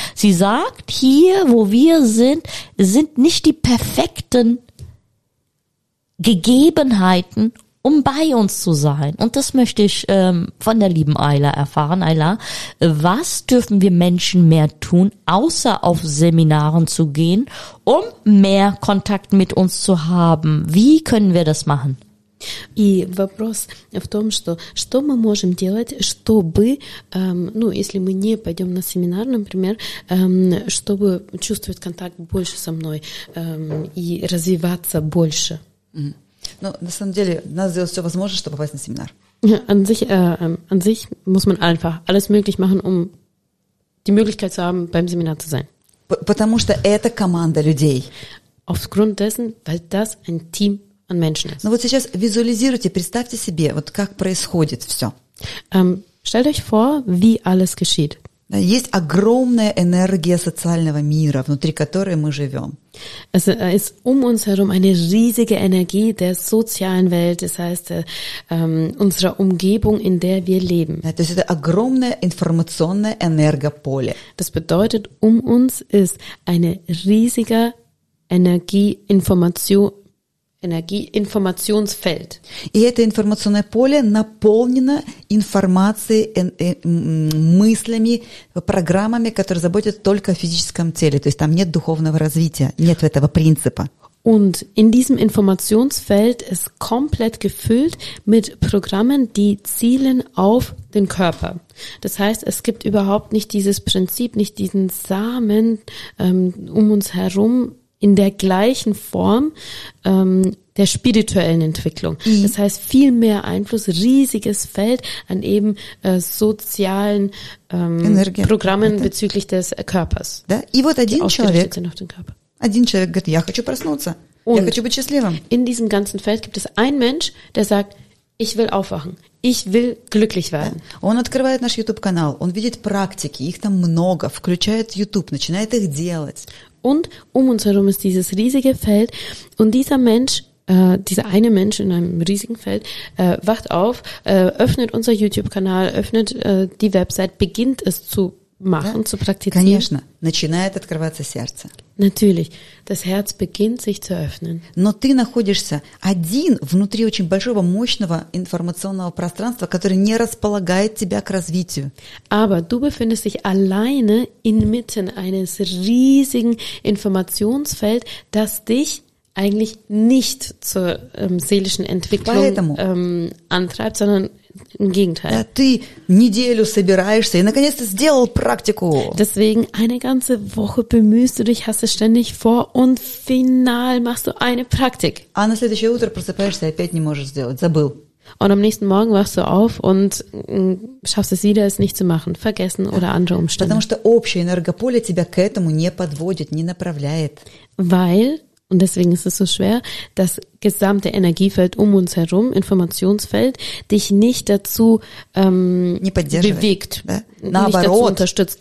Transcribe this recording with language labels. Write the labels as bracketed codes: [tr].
[de] Sie sagt, hier wo wir sind, sind nicht die perfekten Gegebenheiten, um bei uns zu sein. Und das möchte ich von der lieben Ayla erfahren. Ayla, was dürfen wir Menschen mehr tun, außer auf Seminaren zu gehen, um mehr Kontakt mit uns zu haben? Wie können wir das machen? [ru] И вопрос в том, что мы можем делать, чтобы, ну, если мы не пойдем на семинар, например, чтобы чувствовать контакт больше со мной и развиваться больше. Ну, на самом деле, надо сделать все возможное, чтобы попасть на семинар. [de] An sich muss man einfach alles möglich machen, um die Möglichkeit zu haben, beim Seminar zu sein. [ru] Потому что это команда людей. [de] Aufgrund dessen, weil das ein Team an Menschen ist. [ru] Ну вот сейчас визуализируйте, представьте себе, вот как происходит все. [de] Stellt euch vor, wie alles geschieht. [ru] Есть огромная энергия социального мира, внутри которой мы живем. [de] Es ist uns herum eine riesige Energie der sozialen Welt, das heißt unserer Umgebung, in der wir leben. [ru] Ja, то есть это огромное информационное энергополе. [de] Das bedeutet, uns ist eine riesige Energieinformationsfeld. [ru] И это информационное поле наполнено информацией, мыслями, программами, которые заботят только о физическом теле. То есть там нет духовного развития, нет этого принципа. [de] Und in diesem Informationsfeld ist komplett gefüllt mit Programmen, die zielen auf den Körper. Das heißt, es gibt überhaupt nicht dieses Prinzip, nicht diesen Samen uns herum in der gleichen Form der spirituellen Entwicklung. Mhm. Das heißt, viel mehr Einfluss, riesiges Feld an eben sozialen Programmen bezüglich des Körpers. [ru] Да? И вот один человек. Один человек говорит, я хочу проснуться. Und я хочу быть счастливым. [de] In diesem ganzen Feld gibt es einen Mensch, der sagt, ich will aufwachen. Ich will glücklich werden. [ru] Да? Он открывает наш YouTube-канал, он видит практики, их там много, включает YouTube, начинает их делать. [de] Und um uns herum ist dieses riesige Feld und dieser Mensch, dieser eine Mensch in einem riesigen Feld, wacht auf, öffnet unser YouTube-Kanal, öffnet die Website, beginnt es zu machen, ja, zu praktizieren. [ru] Конечно, начинает открываться сердце. [de] Natürlich, das Herz beginnt sich zu öffnen. [ru] Но ты находишься один внутри очень большого, мощного информационного пространства, которое не располагает тебя к развитию. [de] Aber du befindest dich alleine inmitten eines riesigen Informationsfeld, das dich eigentlich nicht zur seelischen Entwicklung antreibt, sondern im Gegenteil. [ru] Да, ты неделю собираешься и наконец-то сделал практику. [de] Deswegen eine ganze Woche bemühst du dich, hast es ständig vor und final machst du eine Praktik. [ru] А на следующее утро просыпаешься и опять не можешь сделать, забыл. [de] Und am nächsten Morgen wachst du auf und schaffst es wieder, es nicht zu machen, vergessen oder andere Umstände. [ru] Потому что общее энергополе тебя к этому не подводит, не направляет. [de] Weil und deswegen ist es so schwer, das gesamte Energiefeld um uns herum, Informationsfeld, dich nicht dazu bewegt, [ru] да? [de] Nicht dazu unterstützt.